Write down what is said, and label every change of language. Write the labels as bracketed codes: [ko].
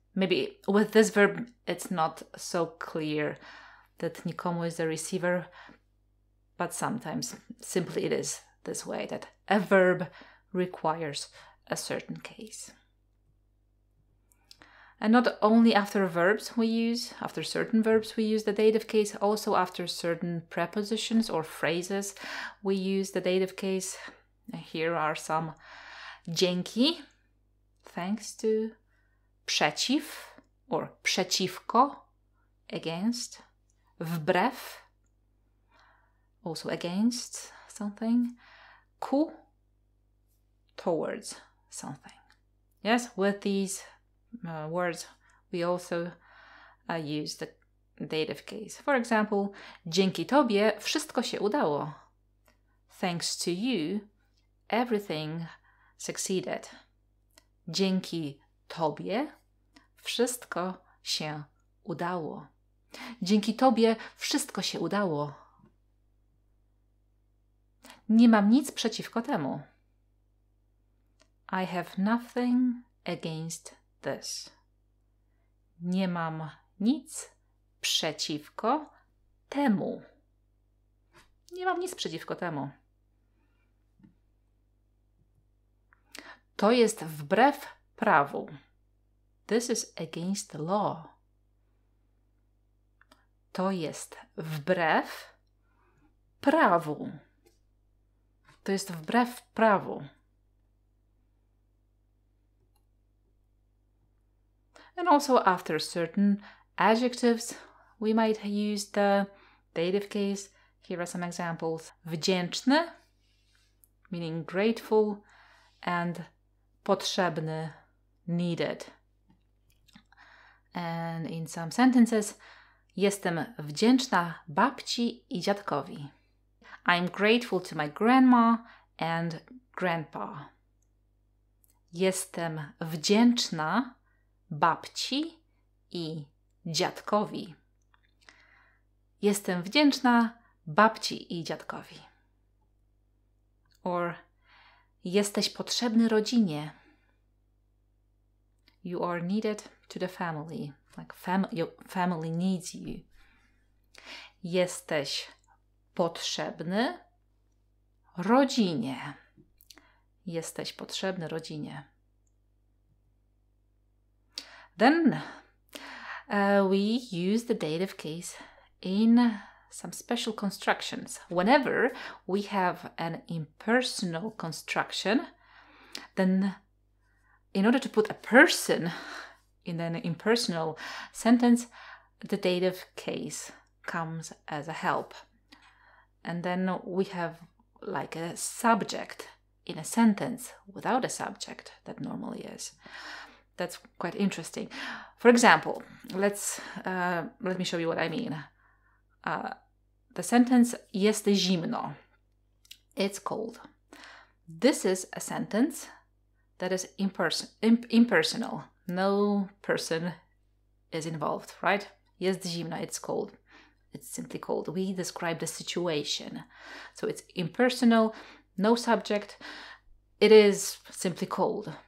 [en] Maybe with this verb it's not so clear that nikomu is the receiver, but sometimes simply it is this way, that a verb requires a certain case. And not only after certain verbs we use the dative case, also after certain prepositions or phrases we use the dative case. Here are some. Dzięki, thanks to. Przeciw or przeciwko, against. Wbrew, also against something. Ku, towards something. Yes, with these words we also use the dative case. For example, [pl] dzięki tobie wszystko się udało. [en] Thanks to you, everything succeeded. [pl] Dzięki tobie wszystko się udało. Dzięki tobie wszystko się udało. Nie mam nic przeciwko temu. [en] I have nothing against this. [pl] Nie mam nic przeciwko temu. Nie mam nic przeciwko temu. To jest wbrew prawu. [en] This is against the law. [pl] To jest wbrew prawu. To jest wbrew prawu. [en] And also after certain adjectives, we might use the dative case. Here are some examples. Wdzięczny, meaning grateful, and potrzebny, needed. And in some sentences, [pl] jestem wdzięczna babci i dziadkowi. [en] I'm grateful to my grandma and grandpa. [pl] Jestem wdzięczna babci i dziadkowi. Jestem wdzięczna babci i dziadkowi. Or jesteś potrzebny rodzinie. [en] You are needed to the family. Like your family needs you. [pl] Jesteś potrzebny rodzinie. Jesteś potrzebny rodzinie. [en] Then we use the dative case in some special constructions. Whenever we have an impersonal construction, then in order to put a person in an impersonal sentence, the dative case comes as a help. And then we have like a subject in a sentence without a subject that normally is. That's quite interesting. For example, let me show you what I mean. The sentence [pl] jest zimno. [en] It's cold. This is a sentence that is impersonal. No person is involved, right? [pl] Jest zimno, [en] it's cold. It's simply cold. We describe the situation. So it's impersonal, no subject. It is simply cold.